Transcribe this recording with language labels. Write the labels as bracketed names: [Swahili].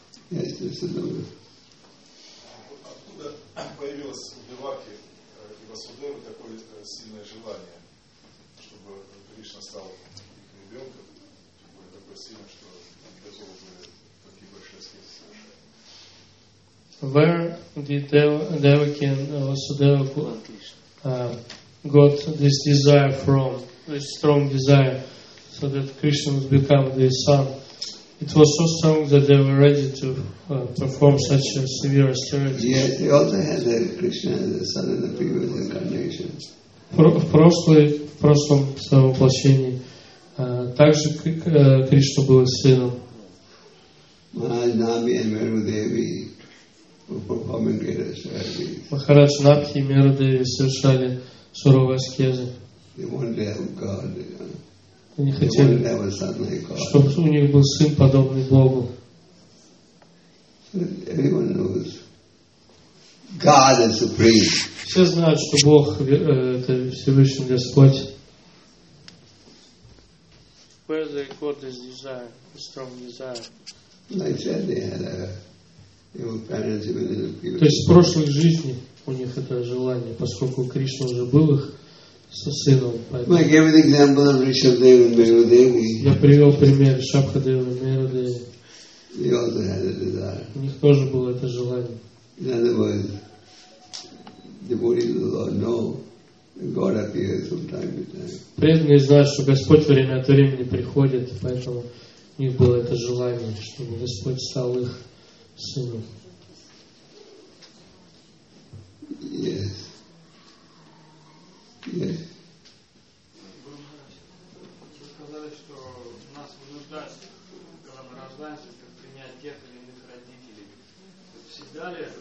[English] Yes, there's another. [Russian] Откуда появилось у Деваки и Васудевы такое сильное желание, чтобы Кришна стал их ребенком, чтобы такое сильное, что готов бы такие большие аскезы совершать? [English] Where did Devaki and Vasudeva got this desire from, this strong desire, so that Krishna would become their son? It was so strong that they were ready to perform such a severe austerity. Yes, they also had that Krishna as a son in the previous incarnation. [Russian] В прошлом своем воплощении также Кришна был сыном. [English] Maharaj Nabhi and Meru Devi. Performing great austerities. [Russian] Махарадж Набхи и Меру Деви совершали суровые аскезы. [English] They wanted to have God. [Russian] Они хотели, [English] they wanted to have a son like God. [Russian] Чтобы у них был сын подобный Богу. [English] Everyone knows God is supreme. [Russian] Все знают, что Бог это Всевышний Господь. [English] Where they got this desire, this strong desire? Like I said, they had a. [Russian] То есть в прошлой жизни у них это желание, поскольку Кришна уже был их со сыном. Я привел пример Ришабхадевы и Мерудеви. У них тоже было это желание. [English] In other words, devotees of the Lord know that God appears from time to time. [Russian] Преданные знают, что Господь время от времени приходит, поэтому у них было это желание, чтобы Господь стал их сыном. [English] Yes. [Russian] Вы сказали, что нас вынуждают, когда мы рождаемся, как принять тех или иных родителей. Всегда ли это?